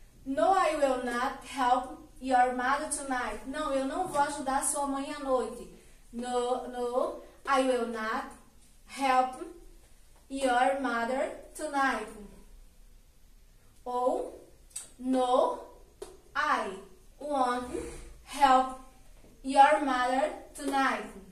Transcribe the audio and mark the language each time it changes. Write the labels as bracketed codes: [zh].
[en] No, I will not help your mother tonight. [pt] Não, eu não vou ajudar sua mãe à noite. [en] No, no, I will not help your mother tonight. Ou, no, I won't help your mother tonight.